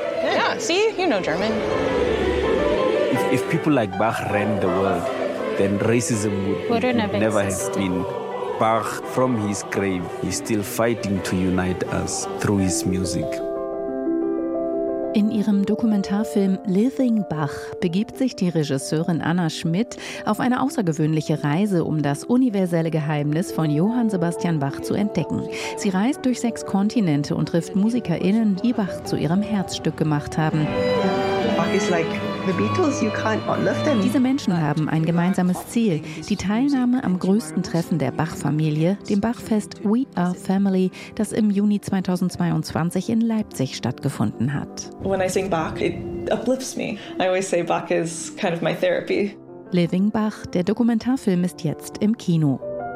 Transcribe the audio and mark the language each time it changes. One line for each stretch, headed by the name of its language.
English: Yeah, see, you know German. If people like Bach ran the world, then racism would never have been. Bach, from his grave, is still fighting to unite us through his music.
German: In ihrem Dokumentarfilm Living Bach begibt sich die Regisseurin Anna Schmidt auf eine außergewöhnliche Reise, um das universelle Geheimnis von Johann Sebastian Bach zu entdecken. Sie reist durch 6 Kontinente und trifft MusikerInnen, die Bach zu ihrem Herzstück gemacht haben.
English: Bach ist like the Beatles, you can't outlive them.
German: Diese Menschen haben ein gemeinsames Ziel, die Teilnahme am größten Treffen der Bach-Familie, dem Bachfest We Are Family, das im Juni 2022 in Leipzig stattgefunden hat.
English: When I sing Bach, it uplifts me. I always say Bach is kind of my therapy.
German: Living Bach, der Dokumentarfilm ist jetzt im Kino.